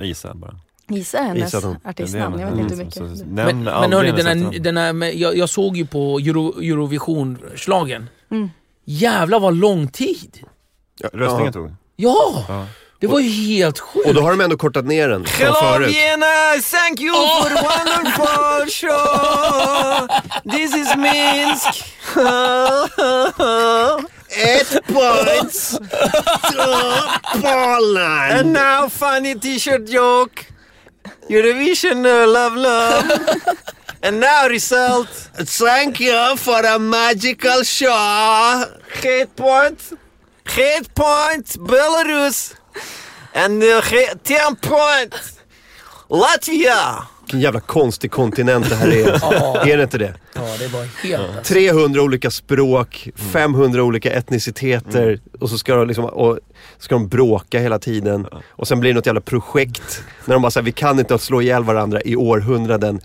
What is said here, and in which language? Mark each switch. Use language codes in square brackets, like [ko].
[sv] Isa bara. Isa är hennes artistnamn. Jag vet inte mycket. Men hörni, jag såg ju på Eurovision-slagen. Jävlar vad lång tid. Röstningen tog. Ja, det var ju helt sjukt. Och då har de ändå kortat ner den. [en] Hello Vienna, thank you for a wonderful show. This is Minsk. Ett point. Poland. And now funny t-shirt joke. Eurovision, love, love. And now result. Thank you for a magical show. Hate point. Head point, Belarus, and 10 point, Latvia. [sv] Vilken jävla konstig kontinent det här är. Är det inte det? Ja, det var helt. 300 olika språk, 500 olika etniciteter, och så ska de liksom, och ska de bråka hela tiden. Och sen blir det något jävla projekt när de bara säger, vi kan inte slå ihjäl varandra i århundraden.